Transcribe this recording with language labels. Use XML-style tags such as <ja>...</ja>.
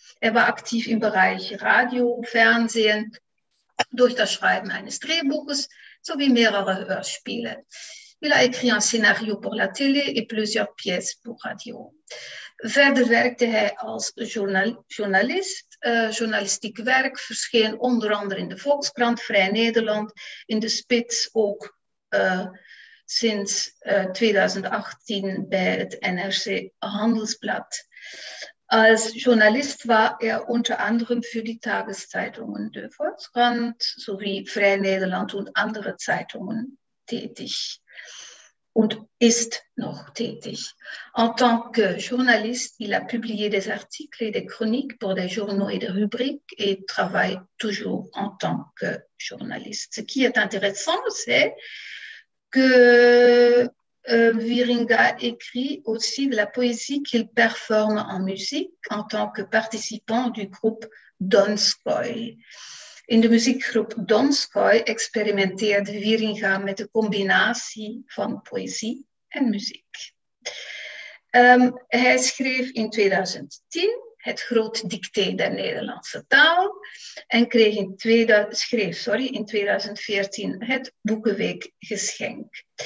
<de>Er war aktiv im Bereich Radio, Fernsehen, durch das Schreiben eines Drehbuches sowie mehrere Hörspiele.</de> <fr>Il a écrit un scénario pour la télé et plusieurs pièces pour radio.</fr> <nl>Verder werkte hij als journalist. Journalistiek werk verscheen onder andere in de Volkskrant, Vrij Nederland, in de Spits ook sinds 2018 bij het NRC Handelsblad.</nl> <de>Als journalist war er unter anderem für die Tageszeitungen De Volkskrant sowie Vrij Nederland und andere Zeitungen tätig und ist noch tätig.</de> <fr>En tant que journaliste, il a publié des articles et des chroniques pour des journaux et des rubriques et travaille toujours en tant que journaliste. Ce qui est intéressant, c'est que Wieringa écrit aussi de la poésie qu'il performe en musique en tant que participant du groupe Donskoy.</fr> <nl>In de muziekgroep Donskoy experimenteert Wieringa met de combinatie van poëzie en muziek. Hij schreef in 2010 het groot dicté der Nederlandse taal en kreeg in 2014 het Boekenweek geschenk.</nl>